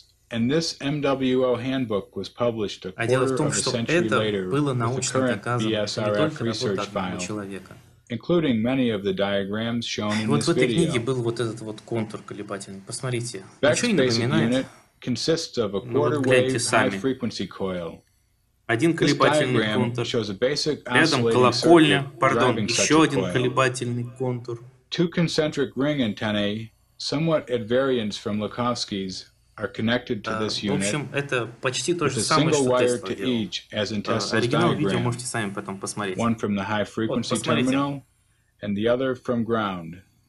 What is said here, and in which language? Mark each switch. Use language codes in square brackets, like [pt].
[en] And this MWO handbook was published a quarter of a century later with the current BSRF research file, including many of the diagrams shown in this video. [ru] Вот в этой книге был вот этот вот контур колебательный. Посмотрите, ничего не напоминает. [en] Consists of a quarter wave high frequency coil. [ru] Один колебательный контур. Рядом колокольня, pardon, еще один колебательный контур. [en] Two concentric ring antennae, somewhat at variance from Lukovsky's. Are connected to this unit. [ru] В общем, это почти то же самое, что тестовое видео. Оригинал видео можете сами потом посмотреть. [en] One from the high frequency terminal, and the other from ground.